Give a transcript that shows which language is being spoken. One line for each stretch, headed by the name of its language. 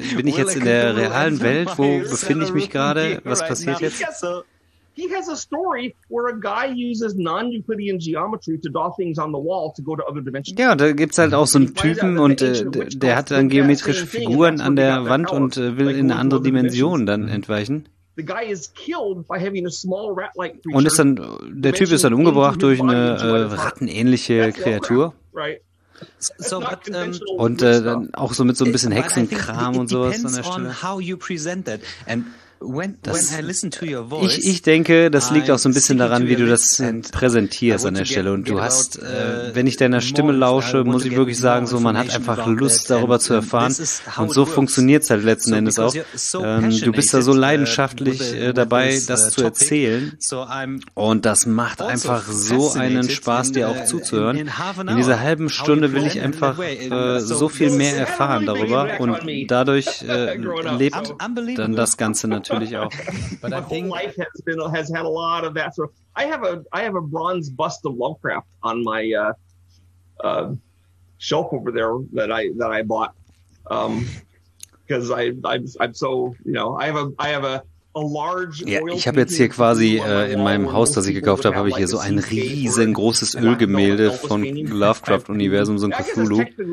German: Bin ich jetzt in der realen Welt? Wo befinde ich mich gerade? Was passiert jetzt?
English: He has a story where a guy uses non-Euclidean geometry to draw things on the wall to go to other dimensions.
German: Ja, da gibt's halt auch so einen Typen und der hat dann geometrische Figuren an der Wand und will in eine andere Dimension dann entweichen.
English: The guy is killed by having a small rat-like creature.
German: Und ist dann, der Typ ist dann umgebracht durch eine rattenähnliche Kreatur.
English: Right. So, but,
German: und dann auch so mit so ein bisschen Hexenkram und sowas an der Stelle.
English: How you present that. And when I listen to your voice,
German: ich denke, das liegt auch so ein bisschen daran, wie du das präsentierst an der Stelle. Und du hast, wenn ich deiner Stimme lausche, muss ich wirklich sagen, so man hat einfach Lust, darüber zu erfahren. Und so funktioniert es halt letzten Endes auch. Du bist da so leidenschaftlich dabei, das zu erzählen. Und das macht einfach so einen Spaß, dir auch zuzuhören. In dieser halben Stunde will ich einfach so viel mehr erfahren darüber. Und dadurch lebt dann das Ganze natürlich auch.
English: But my whole life has had a lot of that. So I have a bronze bust of Lovecraft on my shelf over there that I bought, because I'm so, you know, I have a large.
German: Ja, ich habe jetzt hier quasi in meinem Haus, das ich gekauft habe, habe ich hier so ein riesengroßes Ölgemälde von Lovecraft Universum, so ein Cthulhu.